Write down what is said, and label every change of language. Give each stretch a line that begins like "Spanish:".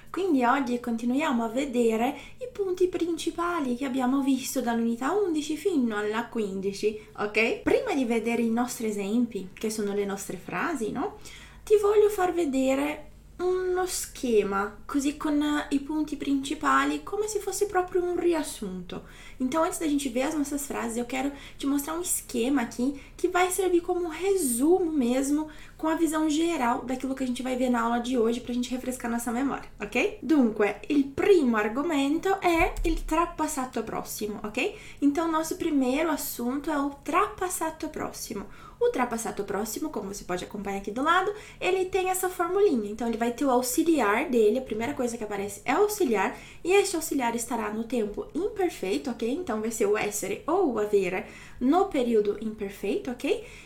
Italian: Quindi oggi continuiamo a vedere i punti principali che abbiamo visto dall'unità 11 fino alla 15, ok? Prima di vedere i nostri esempi, che sono le nostre frasi, no? Ti voglio far vedere uno schema, così con i punti principali, come se fosse proprio un riassunto.
Portuguese: Então, antes da gente ver as nossas frases, eu quero te mostrar um esquema aqui que vai servir como um resumo mesmo, com a visão geral daquilo que a gente vai ver na aula de hoje, para a gente refrescar nossa memória, ok?
Italian: Dunque, il primo argomento é il trapassato prossimo, ok?
Portuguese: Então, nosso primeiro assunto é o trapassato prossimo. O trapassato prossimo, como você pode acompanhar aqui do lado, ele tem essa formulinha. Então, ele vai ter o auxiliar dele, a primeira coisa que aparece é o auxiliar, e esse auxiliar estará no tempo imperfeito, ok? Então, vai ser o essere ou o avere no período imperfeito, ok?